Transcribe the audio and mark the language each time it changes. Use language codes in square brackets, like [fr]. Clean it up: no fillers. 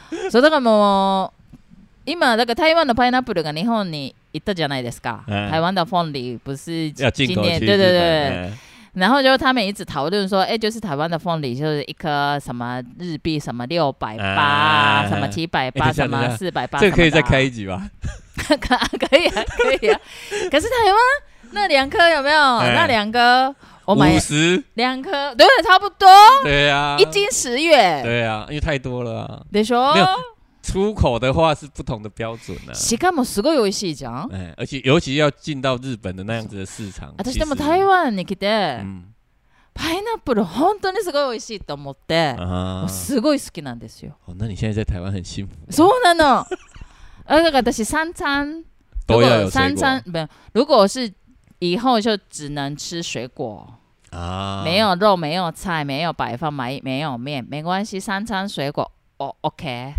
[ja] そうだからもう今だから台湾のパイナップルが日本に行ったじゃないですか。 [zh] 台湾的凤梨不是今年对对对。然后就他们一直讨论说，就是台湾的凤梨就是一颗什么日币什么六百八，什么七百八，什么四百八，这可以再开一集吧？可以啊，可以啊。可是台湾那两颗有没有？那两颗？我买50 两颗，对，差不多。对啊，一斤10元。对啊，因为太多了、啊。 [ja] でしょ？ [zh] 没有出口的话是不同的标准的、啊。 [ja] しかもすごい美味しいじゃん。 [zh] 而且尤其要进到日本的那样子的市场。 [ja] 私でも台湾に来て、パイナップル本当にすごい美味しいと思って、すごい好きなんですよ。 [zh] 那你现在在台湾很幸福。 [ja] そうなの。だから私 [zh] 三餐都要有水果。三餐如果是。以后就只能吃水果、啊、没有肉，没有菜，没有白饭，没有面，没关系，三餐水果、 [en] oh, OK